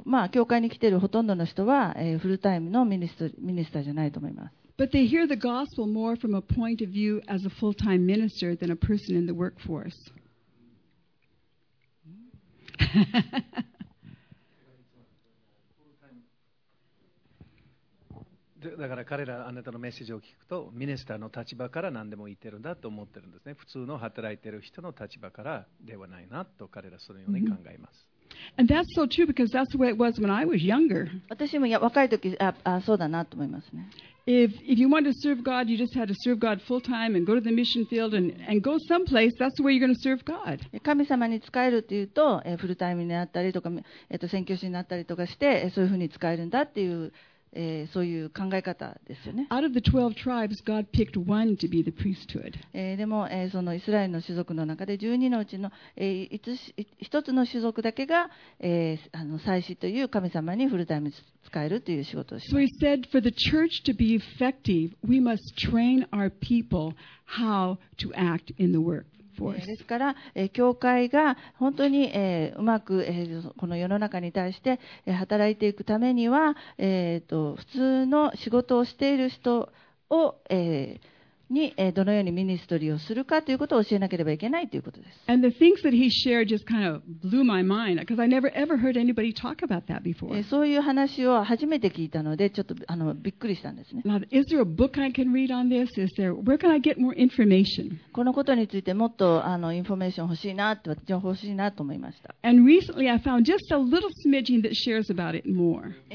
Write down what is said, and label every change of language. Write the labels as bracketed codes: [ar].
[ja] 教会に来ているほとんどの人は、フルタイムのミニスターじゃないと思います。 [en] But they hear the gospel more from a point of view as a full-time minister than a person in the workforce. [ja] だから彼らあなたのメッセージを聞くと、ミニスターの立場から何でも言ってるんだと思ってるんですね。普通の働いてる人の立場からではないなと彼らそのように考えます。 [en] And that's so true because that's the way it was when I was younger. [ja] 私も若い時、そうだなと思いますね。 [en] If you wanted to serve God, you just had to serve God full time and go to the mission field and go someplace. That's where you're going to serve God. [ja] 神様に使えるというと、フルタイムになったりとか、宣教師になったりとかして、そういうふうに使えるんだっていう、そういう考え方ですよね。 [en] Out of the 12 tribes, God picked one to be the priesthood. [ja] でも、そのイスラエルの種族の中で12のうちの、一つの種族だけが、祭司という神様にフルタイム使えるという仕事をします。 [en] So he said, for the church to be effective, we must train our people how to act in the work. [ja] ですから、教会が本当に、うまく、この世の中に対して、働いていくためには、普通の仕事をしている人を、に、どのようにミニストリーをするかということを教えなければいけないということです。 [en] And the things that he shared just kind of blew my mind because I never ever heard anybody talk about that before. [ja] そういう話を初めて聞いたので、ちょっとびっくりしたんですね。 [en] Now, is there a book I can read on this? Is there, where can I get more information? [ja] このことについてもっとインフォメーション欲しいなって、情報欲しいなと思いました。 [en] And recently I found just a little smidgen that shares about it more.